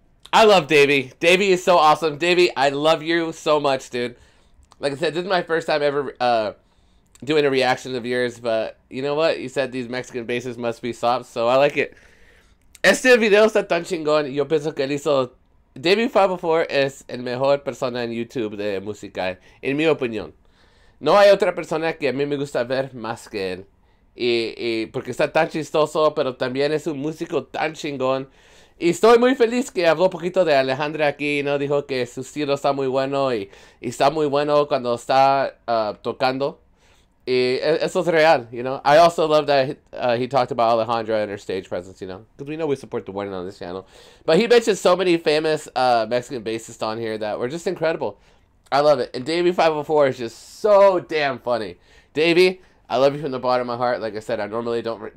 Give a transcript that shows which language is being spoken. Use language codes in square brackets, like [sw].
[en] I love DAVIE. DAVIE is so awesome. DAVIE, I love you so much, dude. Like I said, this is my first time ever doing a reaction of yours, but you know what? You said these Mexican bases must be soft, so I like it. [es] Este video está tan chingón. Yo pienso que él hizo... DAVIE504 es el mejor persona en YouTube de música, en mi opinión. No hay otra persona que a mí me gusta ver más que él. Y porque está tan chistoso, pero también es un músico tan chingón. Y estoy muy feliz que habló poquito de Alejandra aquí, ¿no? Dijo que su estilo está muy bueno y está muy bueno cuando está tocando. Y eso es real, [en] you know? I also love that he talked about Alejandra and her stage presence, you know? Because we know we support the women on this channel. But he mentioned so many famous Mexican bassists on here that were just incredible. I love it. And DAVIE504 is just so damn funny. DAVIE, I love you from the bottom of my heart. Like I said, I normally don't...